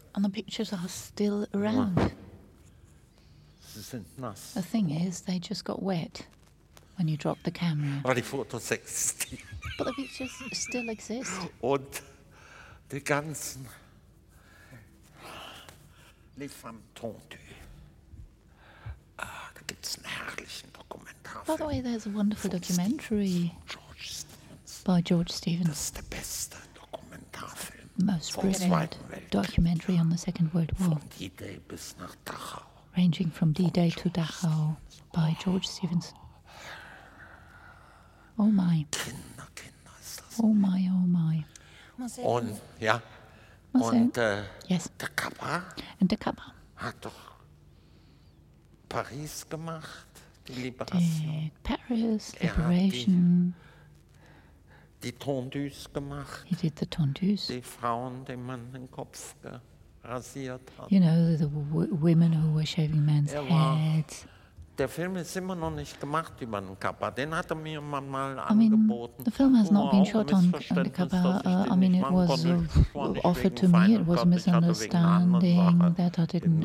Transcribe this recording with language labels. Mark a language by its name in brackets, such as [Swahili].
[English] And the pictures are still around. [German] Sie sind nass. [English] The thing is, they just got wet when you dropped the camera. [German] Aber die Fotos existieren. [English] But the pictures still exist. [German] Und die ganzen. [French] Les femmes tendues. [German] Da gibt es einen herrlichen Dokumentarfilm. [English] By the way, there's a wonderful documentary. By George Stevens. [German] Das ist der beste Dokumentarfilm. [English] Most brilliant documentary on the Second World War. [German] Von D-Day bis nach Dachau. [English] Ranging from D-Day to Dachau by George Stevens. Oh my. [German] Kinder ist das. [English] Oh my, oh my. [German] Und ja. Und [English] yes. [German] Der Kappa. [English] And der Kappa. [German] Hat doch Paris gemacht, die Liberation. [English] Did Paris, Liberation. [German] Die Tondus gemacht. [English] He did the Tondus. [German] Die Frauen, die man den Kopf rasiert hat. [English] You know, the women who were shaving men's heads. [German] Der Film ist immer noch nicht gemacht über den Kappa. Den hat mir mal angeboten. [English] I mean, the film has not been shot on the Kappa. I mean, it was offered to me. It was a misunderstanding that I didn't.